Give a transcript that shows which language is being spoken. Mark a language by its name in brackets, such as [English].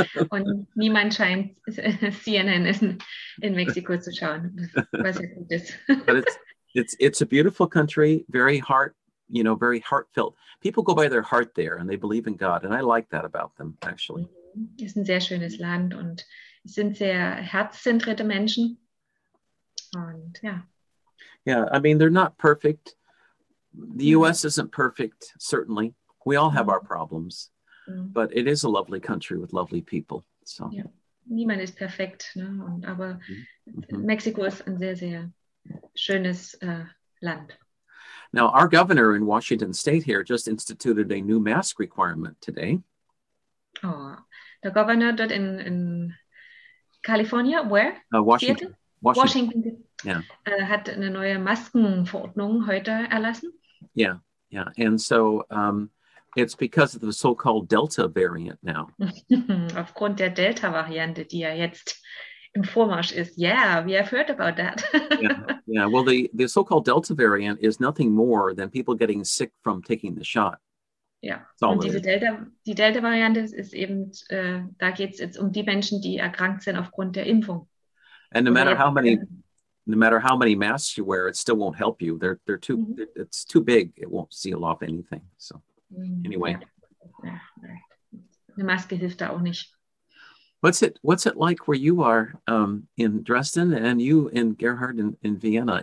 [German] Und niemand scheint CNN in Mexiko zu schauen, was ja gut ist. [English] But it's a beautiful country, very heartfelt. People go by their heart there and they believe in God, and I like that about them, actually. [German] Es ist ein sehr schönes Land und es sind sehr herzzentrierte Menschen. Und ja. [English] Yeah, I mean, they're not perfect. The U.S. isn't perfect, certainly. We all have our problems. But it is a lovely country with lovely people. So. Ja. [German] Niemand ist perfekt, ne? Und, aber Mexiko ist ein sehr, sehr schönes Land. [English] Now, our governor in Washington State here just instituted a new mask requirement today. [German] Oh, der Governor dort in Kalifornien, [English] where? Washington. [German] Yeah. Hat eine neue Maskenverordnung heute erlassen. [English] Yeah, yeah. And so it's because of the so-called Delta variant now. [German] Aufgrund der Delta-Variante, die ja jetzt im Vormarsch ist. [English] Yeah, we have heard about that. Yeah, well, the so-called Delta variant is nothing more than people getting sick from taking the shot. [German] Ja, und die Delta-Variante ist eben, da geht es jetzt um die Menschen, die erkrankt sind aufgrund der Impfung. [English] And no matter how many masks you wear, it still won't help you. They're too, it's too big. It won't seal off anything. So, anyway. [German] Eine Maske hilft da auch nicht. [English] What's it like where you are in Dresden and you and Gerhard in Vienna?